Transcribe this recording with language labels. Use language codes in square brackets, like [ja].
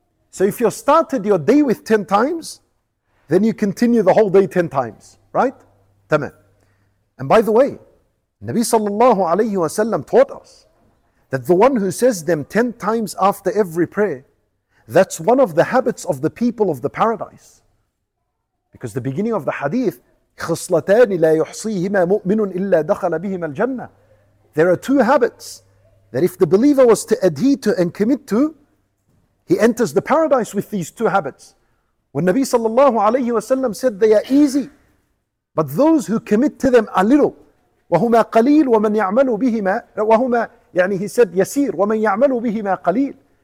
[en] So if you started your day with 10 times, then you continue the whole day 10 times, right? Tamam. And by the way, Nabi sallallahu alayhi wasallam taught us that the one who says them 10 times after every prayer, that's one of the habits of the people of the paradise. Because the beginning of the hadith, [ar] خصلتان لا يحصيهما مؤمن إلا دخل بهما الجنة. [en] There are two habits that if the believer was to adhere to and commit to, he enters the paradise with these two habits. When Nabi sallallahu alayhi wasallam said they are easy, but those who commit to them a little, [ar] وهما قليل ومن يعمل بهما وهما يعني [en] he said [ar] يسير ومن يعمل بهما قليل.